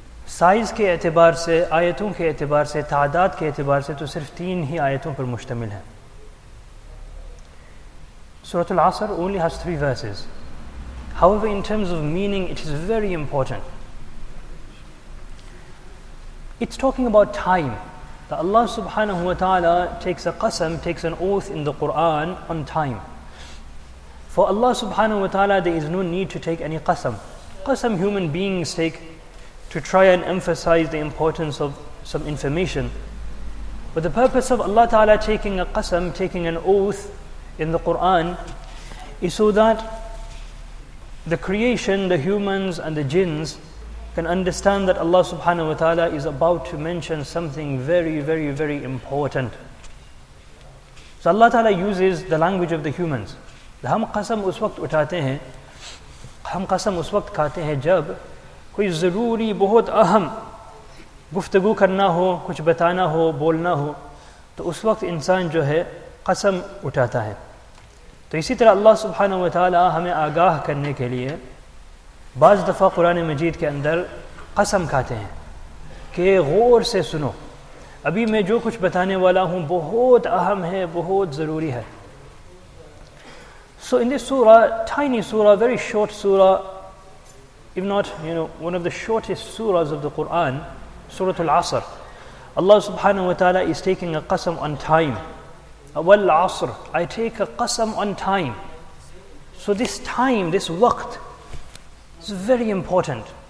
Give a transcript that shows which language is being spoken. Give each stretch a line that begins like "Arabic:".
Urdu: Size کے اعتبار سے، آیتوں کے اعتبار سے، تعداد کے اعتبار سے تو صرف تین ہی آیتوں پر مشتمل ہیں.
English: سورۃ العصر only has three verses. However, in terms of meaning, it is very important. It's talking about time. That Allah subhanahu wa ta'ala takes a qasam, takes an oath in the Quran on time. For Allah subhanahu wa ta'ala, there is no need to take any qasam. Qasam human beings take to try and emphasize the importance of some information. But the purpose of Allah Ta'ala taking a qasam, taking an oath in the Quran, is so that the creation, the humans and the jinns, can understand that Allah Subhanahu wa Ta'ala is about to mention something very, very, very important. So Allah Ta'ala uses the language of the humans.
Urdu: Hum qasam us waqt uthate hain, hum qasam us waqt khate hain jab کوئی ضروری بہت اہم گفتگو کرنا ہو، کچھ بتانا ہو، بولنا ہو، تو اس وقت انسان جو ہے قسم اٹھاتا ہے. تو اسی طرح اللہ سبحانہ و تعالی ہمیں آگاہ کرنے کے لیے بعض دفعہ قرآن مجید کے اندر قسم کھاتے ہیں کہ غور سے سنو، ابھی میں جو کچھ بتانے والا ہوں بہت اہم ہے، بہت ضروری ہے.
English: So in this surah, tiny surah, very short surah, if not, you know, one of the shortest surahs of the Quran, Surah Al-Asr, Allah subhanahu wa ta'ala is taking a qasam on time. Wal Asr, I take a qasam on time. So this time, this waqt, is very important.